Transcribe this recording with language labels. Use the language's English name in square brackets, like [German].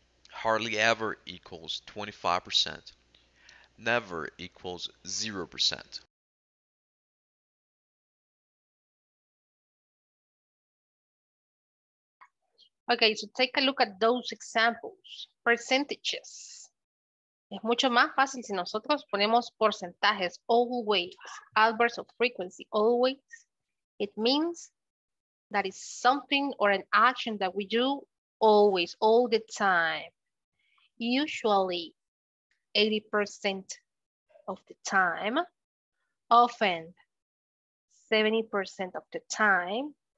[English] Hardly ever equals 25%. Never equals 0%. Okay, so take a look at those examples. Percentages. [Spanish] Es mucho más fácil si nosotros ponemos porcentajes. [English] Always, adverbs of frequency, always. It means that is something or an action that we do always, all the time. Usually, 80% of the time. Often, 70% of the time.